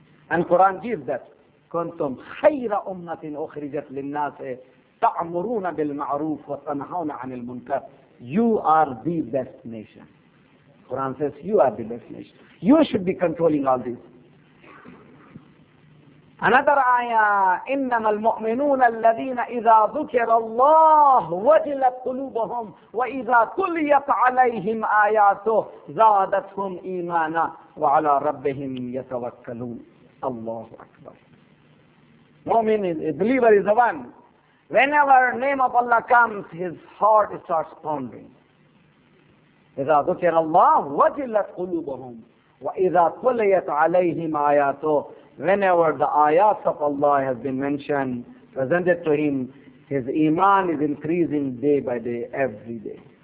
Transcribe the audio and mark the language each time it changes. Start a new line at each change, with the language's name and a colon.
English: And Quran gives that.
Arabic: كُنْتُمْ خَيْرَ أُمَّةٍ أُخْرِجَتْ لِلنَّاسِ تَعْمُرُونَ بِالْمَعْرُوفِ وَتَنْهَوْنَ عَنِ الْمُنْكَرِ.
English: You are the best nation. Quran says, you are the best nation. You should be controlling all this. Another ayah,
Arabic: إِنَّمَا الْمُؤْمِنُونَ الَّذِينَ إِذَا ذُكِرَ اللَّهُ وَجِلَتْ قُلُوبُهُمْ وَإِذَا تُلِيَتْ عَلَيْهِمْ آيَاتُهُ زَادَتْهُمْ إِيمَانًا وَعَلَى رَبِّهِمْ يَتَوَكَّلُونَ. الله أكبر.
English: Mu'min, believer, is the one. Whenever name of Allah comes, his heart starts pounding.
Arabic: إِذَا ذُكِرَ اللَّهُ وَجِلَتْ قُلُوبُهُمْ وَإِذَا تُلِيَتْ عَلَيْهِمْ آيَاتُهُ.
English: Whenever the ayat of Allah has been mentioned, presented to him, his iman is increasing day by day, every day.